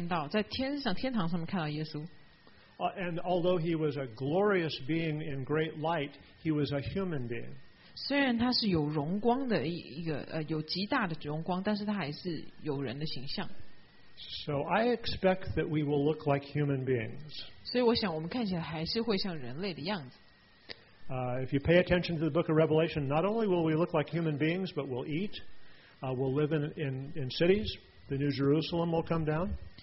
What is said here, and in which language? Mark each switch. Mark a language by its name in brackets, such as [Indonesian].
[Chinese] 然后在启示录呢，约翰也看到，在天上，天堂上面看到耶稣。 [English] And although he was a glorious being in great light, he was a human being. [Chinese] 虽然他是有极大的荣光，但是他还是有人的形象。 [English] So I expect that we will look like human beings. [Chinese] 所以我想我们看起来还是会像人类的样子。 [English] If you pay attention to the book of Revelation, not only will we look like human beings, but we'll eat, we'll live in cities, the New Jerusalem will come down.